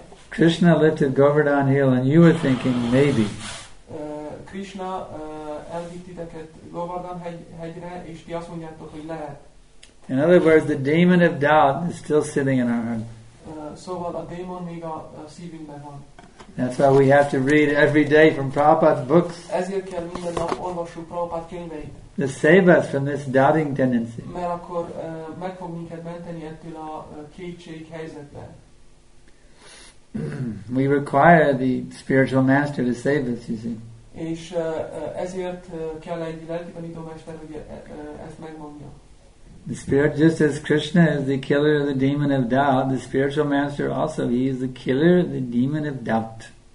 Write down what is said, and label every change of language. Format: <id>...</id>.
<en>Krishna lived at Govardhan Hill and you were thinking maybe.</en> <hu>Krishna elvitt titeket Govardhan hegyre, és ti azt mondjátok, hogy lehet.</hu> <en>In other words, the demon of doubt is still sitting in our heart.</en> <hu>Szóval a démon még a szívünkben van.</hu> <en>That's why we have to read every day from Prabhupada's books.</en> <hu>Ezért kell minden nap olvassuk Prabhupada könyveit.</hu> <en>To save us from this doubting tendency.</en> <hu>Mert akkor meg fog minket menteni ettől a kétség helyzetben.</hu> <en>We require the spiritual master to save us, you see.</en> <hu>És ezért kell egy lelki tanító mester, hogy ezt megmondja.</hu> <en>The spirit, just as Krishna is the killer of the demon of doubt, the spiritual master also, he is the killer of the demon of doubt.</en>